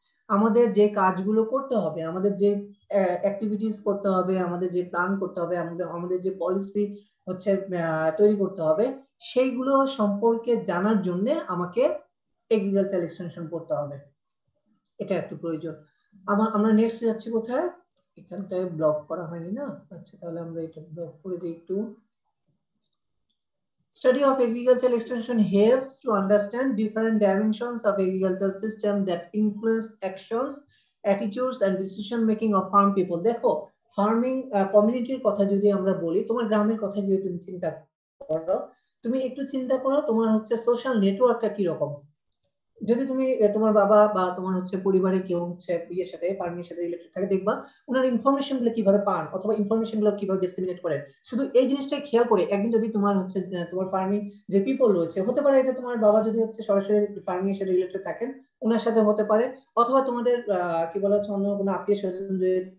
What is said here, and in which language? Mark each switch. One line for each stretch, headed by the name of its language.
Bangla: আমাদের যে কাজগুলো করতে হবে, আমাদের যে অ্যাক্টিভিটিস করতে হবে, আমাদের যে প্ল্যান করতে হবে, আমাদের আমাদের যে পলিসি হচ্ছে তৈরি করতে হবে, সেইগুলো সম্পর্কে জানার জন্য আমাকে এগ্রিকালচার এক্সটেনশন করতে হবে, এটা একটু প্রয়োজন। আমরা নেক্সট যাচ্ছি কোথায়? এখানটায় ব্লক করা হয়নি না? আচ্ছা তাহলে আমরা এটা ব্লক করে দিই একটু।
English: Study of agricultural extension helps to understand different dimensions of agricultural system that influence actions, attitudes and decision making of farm people.
Bangla: দেখো farming community কথা যদি আমরা বলি, তোমার গ্রামের কথা যদি তুমি চিন্তা করো, তুমি একটু চিন্তা করো তোমার হচ্ছে সোশ্যাল নেটওয়ার্কটা কি রকম। যদি তুমি তোমার বাবা বা তোমার হচ্ছে পরিবারে কেউ হচ্ছে বিয়ের সাথে ফার্মিং এর সাথে রিলেটেড থাকে, দেখবা ওনার ইনফরমেশন গুলো কিভাবে পান অথবা ইনফরমেশন গুলো কিভাবে ডিসিমিনেট করেন, শুধু এই জিনিসটাই খেয়াল করে একদিন যদি তোমার হচ্ছে তোমার ফার্মিং যে পিপল রয়েছে, হতে পারে এটা তোমার বাবা যদি হচ্ছে সরাসরি ফার্মিং এর সাথে রিলেটেড থাকেন ওনার সাথে হতে পারে, অথবা তোমাদের কি বলা হচ্ছে অন্য কোনো আত্মীয় স্বজন যদি